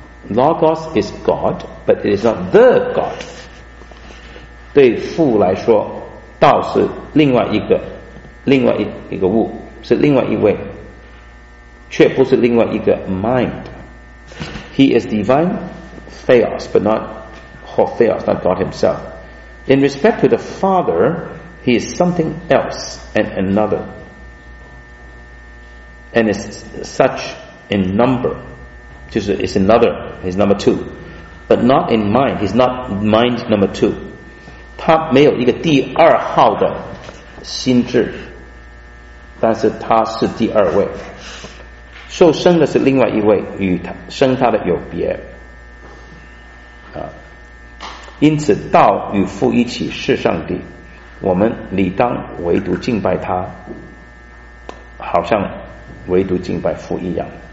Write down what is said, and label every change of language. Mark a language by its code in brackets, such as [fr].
[en] Logos is God, but it is not the God. [zh] 对父来说，道是另外一个物，是另外一位，却不是另外一个 mind. [en] He is divine, Theos, but not Theos, not God himself. In respect to the Father, he is something else and another, and is such in number. [zh] 就是 [en] is another, he's number two, but not in mind, he's not mind number two. [zh] 他没有一个第二号的心智，但是他是第二位。受生的是另外一位，与他生他的有别。因此道与父一起是上帝，我们理当唯独敬拜他，好像唯独敬拜父一样。